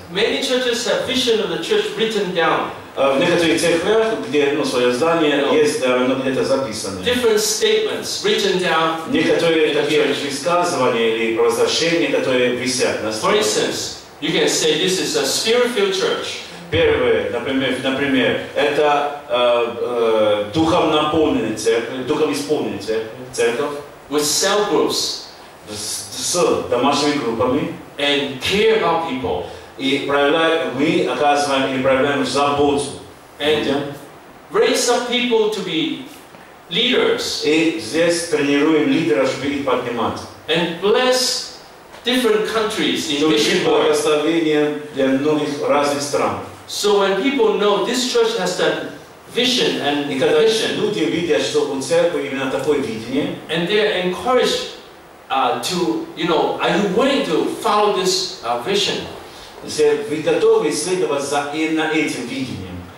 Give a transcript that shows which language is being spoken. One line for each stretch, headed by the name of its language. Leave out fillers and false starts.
English: Many churches have vision of the church written down.
Russian: В некоторых церквях, где свое здание, есть это записано.
English: Different statements written down.
Russian: Некоторые такие высказывания или провозглашения, которые висят на стене.
English: For instance, you can say this is a spirit-filled church.
Russian: Первое, например, это духом наполненная церковь, духом исполненная церковь.
English: With cell groups.
Russian: С домашними группами.
English: And care about people.
Russian: И проявляем, мы оказываем и проявляем заботу.
English: And raise up people to be leaders.
Russian: И здесь тренируем лидеров, чтобы их поднимать.
English: And bless different countries in mission work.
Russian: Благословение для многих разных стран.
English: So when people know this church has that vision and mission,
Russian: люди видят, что у церкви именно такое видение,
English: and they're encouraged to, you know, are you willing to follow this vision?
Russian: Вы готовы следовать за этим видением?